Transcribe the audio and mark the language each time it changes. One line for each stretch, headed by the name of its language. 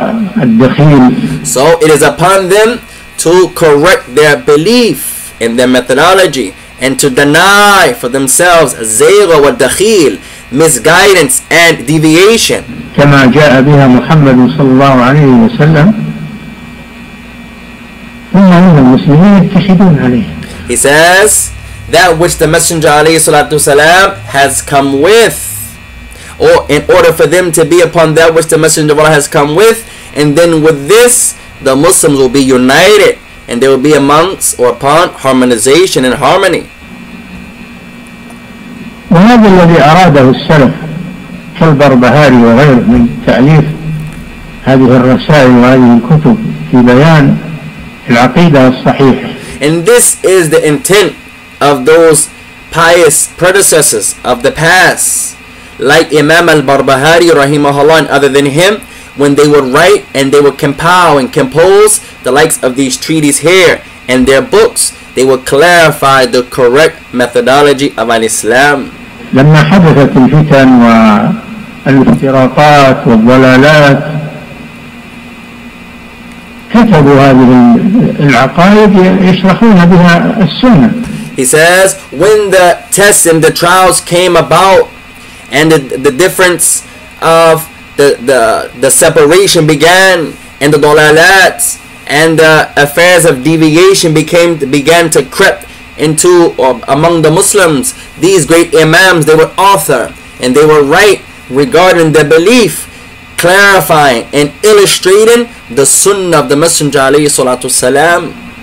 English: So it is upon them to correct their belief and their methodology and to deny for themselves
Arabic: zayr wa dakhil,
English: misguidance and deviation.
Arabic: كما جاء بها محمد صلى الله عليه وسلم ثم أن المسلمين يتحدون عليه.
English: He says that which the messenger
Arabic: عليه الصلاة والسلام
English: has come with, or in order for them to be upon that which the messenger of Allah has come with, and then with this the Muslims will be united and they will be amongst or upon harmonization and harmony.
Arabic: وهذا الذي أراده السلف كالبربهاري وغيره من تأليف هذه الرسائل وهذه الكتب في بيان العقيدة الصحيحة.
English: And this is the intent of those pious predecessors of the past, like Imam al-Barbahari rahimahullah and other than him, when they would write and they would compile and compose the likes of these treaties here and their books, they would clarify the correct methodology of al-Islam.
Arabic: لما حدثت الفتن والافتراقات والضلالات كتبوا هذه العقائد يشرحون بها السنة.
English: He says, when the tests and the trials came about, and the difference of the separation began, and the dalalat and the affairs of deviation began to creep into among the Muslims, these great imams, they were author and they were right regarding the belief, clarifying and illustrating the sunnah of the Messenger alayhi salatu wasalam.